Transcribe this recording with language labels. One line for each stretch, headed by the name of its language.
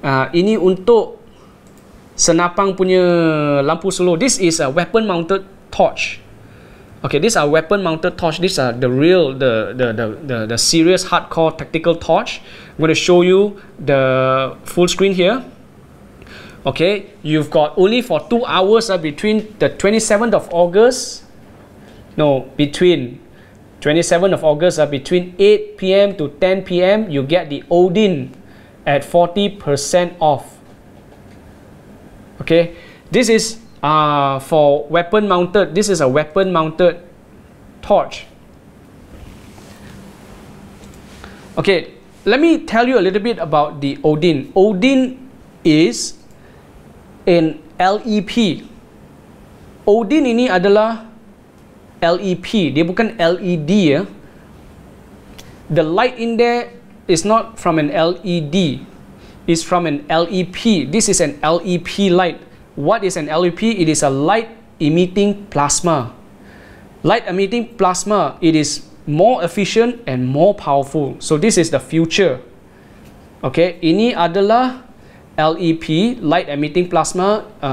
Malay: Ini untuk senapang punya lampu solo.
English: This is a weapon mounted torch. Okay, this are weapon mounted torch. These are the real, the serious hardcore tactical torch. I'm going to show you the full screen here. Okay, you've got only for 2 hours, between the 27th of August. No, between 27th of August, between 8 p.m. to 10 p.m., you get the Odin at 40% off. Okay, this is for weapon mounted. This is a weapon mounted torch. Okay, let me tell you a little bit about the Odin. Odin is an LEP.
Malay: Odin ini adalah LEP, dia bukan LED ya.
English: The light in there is not from an LED, it's from an LEP. This is an LEP light. What is an LEP? It is a light emitting plasma. Light emitting plasma, it is more efficient and more powerful. So this is the future.
Malay: Okay, ini adalah LEP, light emitting plasma.